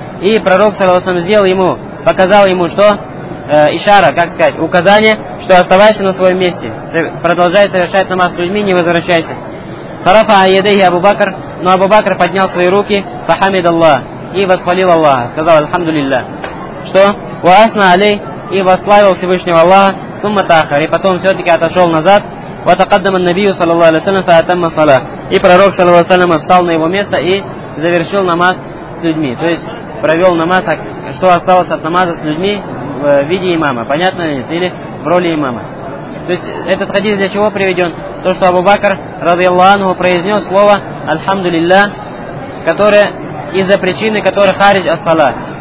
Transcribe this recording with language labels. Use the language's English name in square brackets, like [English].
[Russian] И пророк саллаллаху алейхи ва саллям сделал ему, показал ему что? Ишара, как сказать, указание, что оставайся на своем месте, продолжай совершать намаз с людьми, не возвращайся. Фарафа айядейхи Абу Бакр, но Абу Бакр поднял свои руки, фахамид Аллах, и восхвалил Аллаха, сказал альхамду лилля. Что? Ва асна алей, и восславил Всевышнего Аллаха, сумма тахар, и потом все-таки отошел назад. [Arabic] وتقدم النبي صلى الله عليه وسلم فأتم الصلاة. [Russian] И пророк صلى الله عليه وسلم встал на его место и завершил намаз с людьми. То есть провел намаз, что осталось от намаза с людьми в виде имама. Понятно ли это? Или в роли имама. То есть этот хадис для чего приведен? То, что Абу-Бакр, радиаллаху анху, произнес слово «Альхамдулилля», которое из-за причины, которой харидж ас-сала.